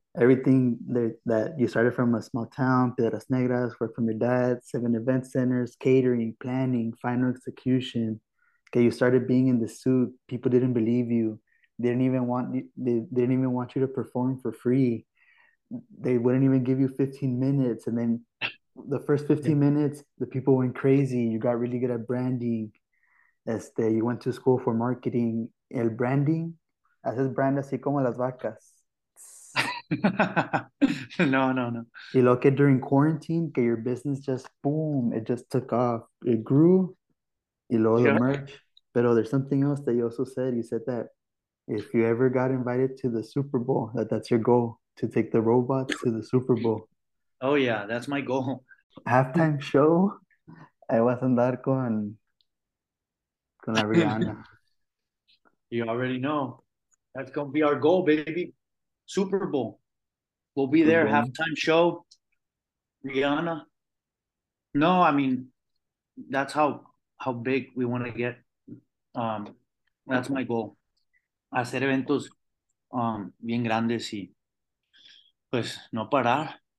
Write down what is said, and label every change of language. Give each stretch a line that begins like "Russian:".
English: Everything that you started from a small town, Piedras Negras, work from your dad, 7 event centers, catering, planning, final execution. Okay, you started being in the suit. People didn't believe you. They didn't even want you, they didn't even want you to perform for free. They wouldn't even give you 15 minutes. And then the first 15 minutes, the people went crazy. You got really good at branding. You went to school for marketing.
Spanish: El branding, haces brand así como las vacas. No, no, no.
English: You look at during quarantine, okay, your business just boom, it just took off. It grew. You love the Yeah. merch. But there's something else that you also said. You said that if you ever got invited to the Super Bowl, that's your goal, to take the robots to the Super Bowl. Oh, yeah, that's my goal. Halftime show, I was
Spanish: andar con con la
English: Rihanna. You already know. That's going to be our goal, baby. Super Bowl. We'll be there. Halftime show. Rihanna. No, I mean, that's how big we want to get. That's my goal.
Spanish: Hacer eventos bien grandes y pues no parar.